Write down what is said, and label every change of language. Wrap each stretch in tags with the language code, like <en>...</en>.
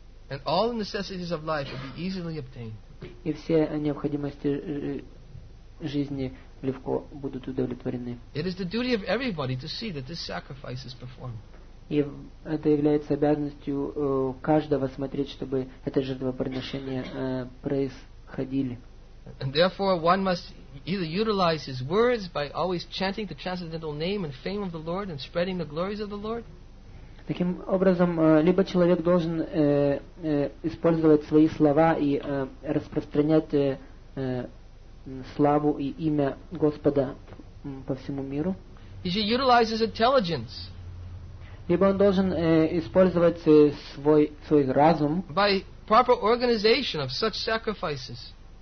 <en>And all the necessities of life will be easily obtained.</en> <ru>И все необходимости жизни легко будут удовлетворены.</ru> <en>It is the duty of everybody to see that this sacrifice is performed.</en> <ru>И это является обязанностью каждого смотреть, чтобы это жертвоприношение происходило.</ru> <en>And therefore, one must either utilize his words by always chanting the transcendental name and fame of the Lord and spreading the glories of the Lord.</en> <ru>Таким образом, либо человек должен использовать свои слова и распространять славу и имя Господа по всему миру.</ru> <en>He should utilize his intelligence.</en> <ru>Либо он должен использовать свой разум.</ru> <en>By proper organization of such sacrifices.</en>